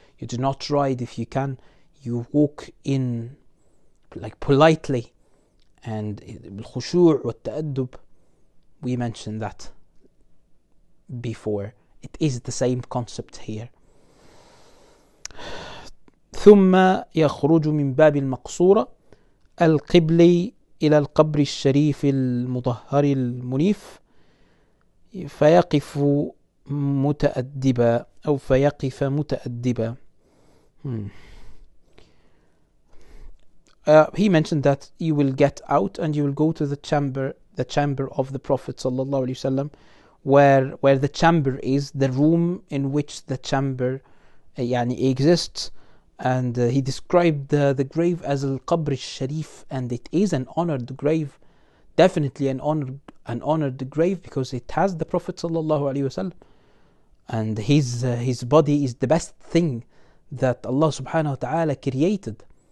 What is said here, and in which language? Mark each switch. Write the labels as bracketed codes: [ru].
[en] You do not ride if you can. You walk in like politely and [ar] الخشوع والتأدب. [en] We mentioned that before. It is the same concept here. [ar] ثم يخرج من باب المقصورة القبلي إلى القبر الشريف المطهر المنيف فيقف متأدبا أو فيقف متأدبا. [en] He mentioned that you will get out and you will go to the chamber of the Prophet sallallahu alaihi wasallam, where the chamber is, the room in which the chamber [ar] يعني [en] exists. And he described the grave as [ar] al-qabr al-sharif, [en] and it is an honored grave, definitely an honored grave, because it has the Prophet sallallahu alaihi wasallam, and his body is the best thing that Allah subhanahu wa ta'ala created.